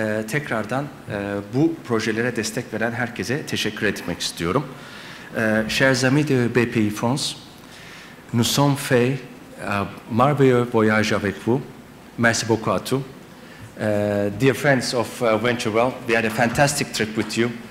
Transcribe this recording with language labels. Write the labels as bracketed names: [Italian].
[Turkish] Tekrardan bu projelere destek veren herkese teşekkür etmek istiyorum. [French] Chers amis de BPI France, nous sommes faits un merveilleux voyage avec vous. Merci beaucoup à tous. [English] Dear friends of VentureWell, we had a fantastic trip with you.